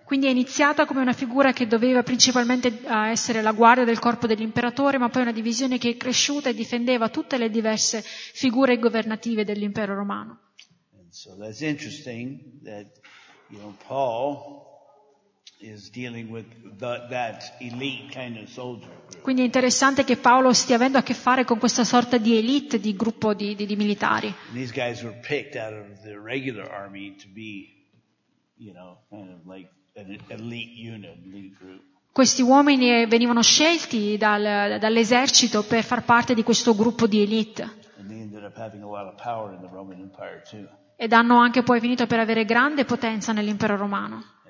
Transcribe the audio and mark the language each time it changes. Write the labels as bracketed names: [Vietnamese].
[Italian] Quindi è iniziata come una figura che doveva principalmente essere la guardia del corpo dell'imperatore, ma poi una divisione che è cresciuta e difendeva tutte le diverse figure governative dell'impero romano. [English] So that's interesting that, you know, Paul is dealing with that elite kind of soldier. [Italian] Quindi è interessante che Paolo stia avendo a che fare con questa sorta di elite, di gruppo di militari. [English] And these guys were picked out of the regular army to be, you know, kind of like an elite unit, elite group. [Italian] Questi uomini venivano scelti dall'esercito per far parte di questo gruppo di elite. [English] And they ended up having a lot of power in the Roman Empire too. [Italian] Ed hanno anche poi finito per avere grande potenza nell'impero romano.